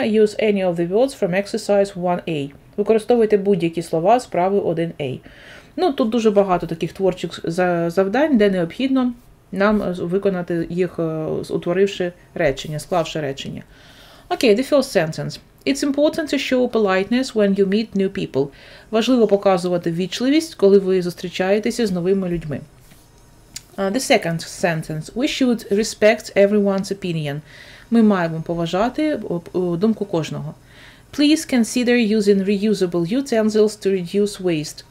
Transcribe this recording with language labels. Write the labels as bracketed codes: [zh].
[en] Use any of the words from exercise 1A. [uk] Використовуйте будь-які слова з правою 1A. Ну, тут дуже багато таких творчих завдань, де необхідно нам виконати їх, утворивши речення, склавши речення. [en] Окей, the first sentence. It's important to show politeness when you meet new people. [uk] Важливо показувати вічливість, коли ви зустрічаєтеся з новими людьми. [en] The second sentence. We should respect everyone's opinion. [uk] Ми маємо поважати думку кожного. [en] Please consider using reusable utensils to reduce waste.